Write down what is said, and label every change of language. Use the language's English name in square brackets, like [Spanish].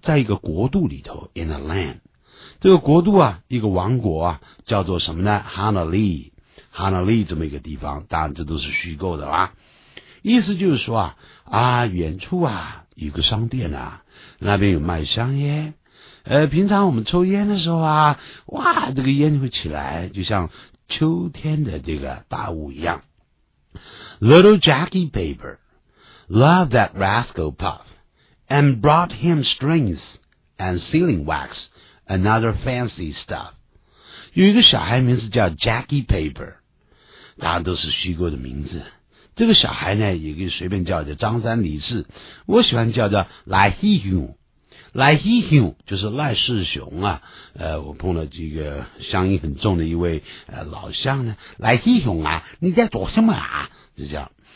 [Chinese] 在一个国度里头 ， [English] in a land。 [Chinese] 这个国度啊，一个王国啊，叫做什么呢 ？Hanalei， Hanalei 这么一个地方，当然这都是虚构的啦。意思就是说啊远处啊有个商店啊，那边有卖香烟，平常我们抽烟的时候啊，哇，这个烟会起来，就像秋天的这个大雾一样。 [English] Little Jackie Paper loved that rascal Puff and brought him strings and sealing wax another fancy stuff。 [Chinese] 有一个小孩名字叫 Jackie Paper， 当然都是虚构的名字，这个小孩呢也可以随便叫叫张三李四，我喜欢叫叫赖希雄，赖希雄就是赖世雄啊，我碰了这个乡音很重的一位老乡呢，赖希雄啊，你在做什么啊，就这样。